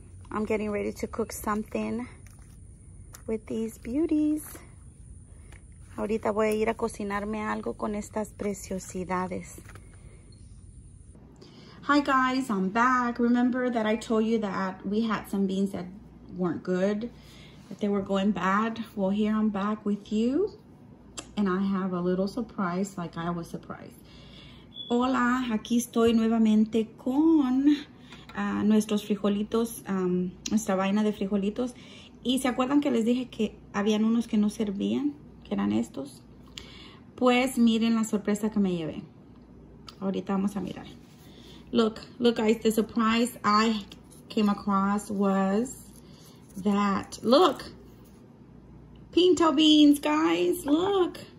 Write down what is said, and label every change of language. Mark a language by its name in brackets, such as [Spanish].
[English] I'm getting ready to cook something with these beauties. [Spanish] Ahorita voy a ir a cocinarme algo con estas preciosidades. [English] Hi guys, I'm back. Remember that I told you that we had some beans that weren't good, that they were going bad. Well, here I'm back with you and I have a little surprise, like I was surprised. [Spanish] Hola, aquí estoy nuevamente con nuestros frijolitos, nuestra vaina de frijolitos. Y se acuerdan que les dije que habían unos que no servían, que eran estos. Pues miren la sorpresa que me llevé. Ahorita vamos a mirar. [English] Look, look guys, the surprise I came across was that, look, pinto beans, guys, look.